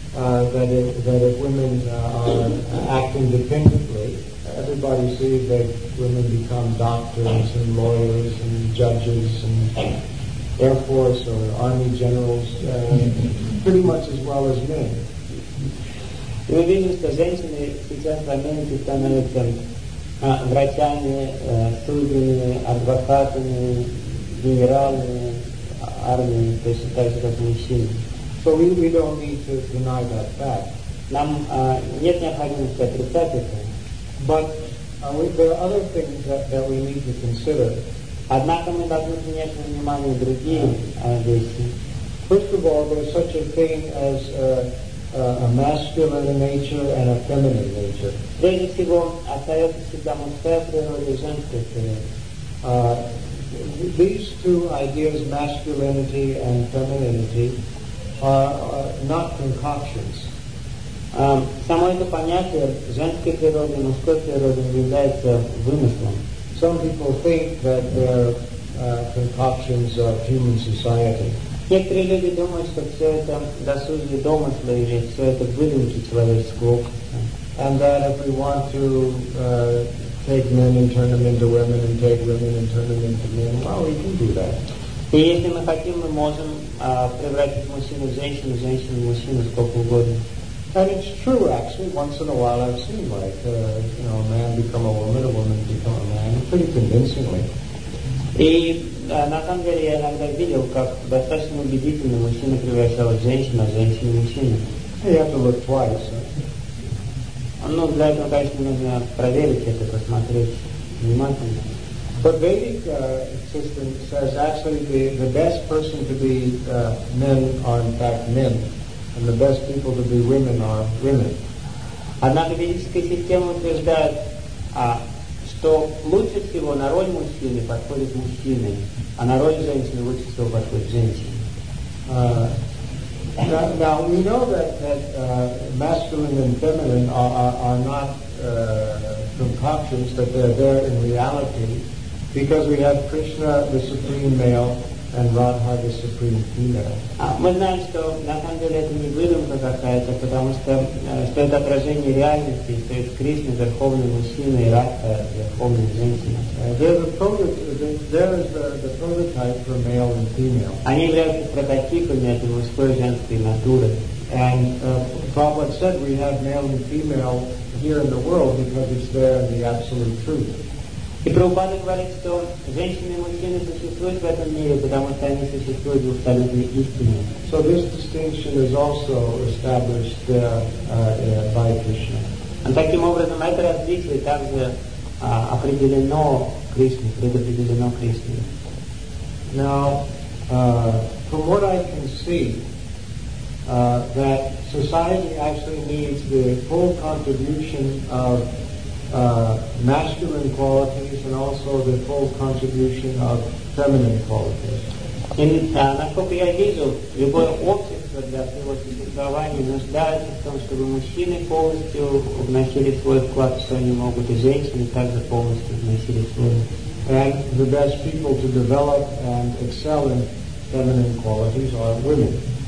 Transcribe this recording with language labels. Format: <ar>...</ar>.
<en>That if women act independently, everybody sees that women become doctors and lawyers and judges and air force or army generals pretty much as well as men.</en> <ru>Мы видим, что женщины сейчас в Америке становятся врачами, судьями, адвокатами, генералами, армией, то есть так же, как мужчины.</ru> <en>So we don't need to deny that fact.</en> <ru>Нам нет необходимости отрицать это.</ru> <en>But there are other things that we need to consider.</en> <ru>Однако мы должны принять во внимание другие вещи.</ru> <en>First of all, there's such a thing as a masculine nature and a feminine nature.</en> <ru>Прежде всего, остается всегда мужская природа и женская природа.</ru> <en>These two ideas, masculinity and femininity, are not concoctions.</en> <ru>Само это понятие женской природы и мужской природы является вымыслом.</ru> <en>Some people think that they're concoctions of human society.</en> <ru>Некоторые люди думают, что все это досужие домыслы или все это выдумки человеческого общества.</ru> <en>And that if we want to take men and turn them into women and take women and turn them into men, well, we can do that.</en> <ru>И если мы хотим, мы можем превратить мужчину в женщину, женщину в мужчину, сколько угодно.</ru> <en>And it's true, actually, once in a while I've seen, like, you know, a man become a woman become a man, pretty convincingly.</en> <ru>И на самом деле я иногда видел, как достаточно убедительно мужчина превращал женщину, а женщина мужчину.</ru> <en>You have to look twice.</en> <ru>Ну, для этого, конечно, нужно проверить это, посмотреть внимательно.</ru> <en>But Vedic system says actually the best person to be men are in fact men, and the best people to be women are women.</en> <ru>Однако ведическая система утверждает, что лучше всего на роль мужчины подходит мужчины, а на роль женщины лучше всего подходит женщина.</ru> <en>Now we know that masculine and feminine are not concoctions, that they're there in reality, because we have Krishna the supreme male and Radha the supreme female.</en> <ru>Мы знаем, что на самом деле это не выдумка какая-то, потому что что это отражение реальности, то есть Кришна верховный мужчина и Радха верховная женщина.</ru> <en>There is the prototype for male and female.</en> <ru>Они являются прототипами этой мужской и женской натуры.</ru> <en>And Prabhupada said we have male and female here in the world because it's there in the absolute truth.</en> <ru>И Прабхупада говорит, что женщины и мужчины существуют в этом мире, потому что они существуют в абсолютной истине.</ru> <en>So this distinction is also established by Krishna. And</en> <ru>таким образом это различие также определено Кришне, предопределено Кришне.</ru> <en>Now, from what I can see, that society actually needs the full contribution of masculine qualities and also the full contribution of feminine qualities. In</en> <ru>насколько я вижу, любое общество для своего существования нуждается в том, чтобы мужчины полностью вносили свой вклад, что они могут, и женщины также полностью вносили свой.</ru> <en>And the best people to develop and excel in feminine qualities are women.</en>